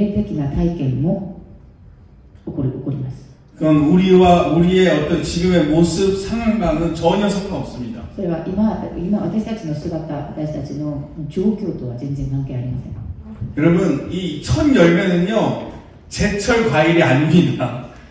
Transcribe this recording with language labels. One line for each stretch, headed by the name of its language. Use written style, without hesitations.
Japanese: 今まで一度も経験していなかった霊的な体験も起こります。
Korean: 그럼 우리와 우리의 어떤 지금의 모습 상황과는 전혀 상관없습니다.
Japanese: それは今私たちの姿、私たちの状況とは全然関係ありません。
Korean: 여러분, 이 첫 열매는요 제철 과일이 아닙니다.